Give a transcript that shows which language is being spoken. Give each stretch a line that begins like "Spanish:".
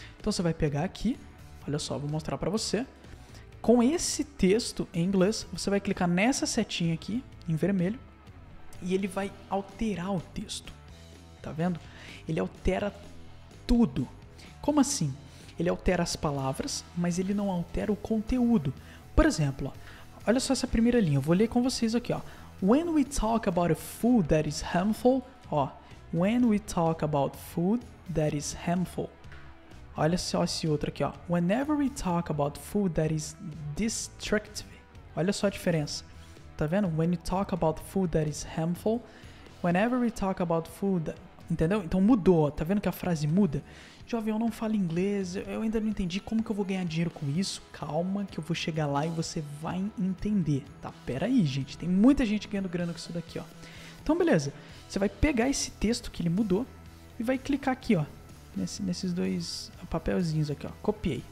Portuguese: Então, você vai pegar aqui, olha só, vou mostrar para você. Com esse texto em inglês, você vai clicar nessa setinha aqui, em vermelho, e ele vai alterar o texto, tá vendo? Ele altera tudo. Como assim? Ele altera as palavras, mas ele não altera o conteúdo. Por exemplo, ó, olha só essa primeira linha, eu vou ler com vocês aqui, ó.
English: When we talk about a food that is harmful, ó, when we talk about food that is harmful,
Portuguese: olha só esse outro aqui, ó,
English: whenever we talk about food that is destructive,
Portuguese: olha só a diferença, tá vendo?
English: When we talk about food that is harmful, whenever we talk about food,
Portuguese: entendeu? Então mudou, tá vendo que a frase muda? Jovem, eu não falo inglês, eu ainda não entendi como que eu vou ganhar dinheiro com isso. Calma que eu vou chegar lá e você vai entender, tá? Pera aí, gente, tem muita gente ganhando grana com isso daqui, ó. Então, beleza, você vai pegar esse texto que ele mudou e vai clicar aqui, ó, nesses dois papelzinhos aqui, ó, copiei.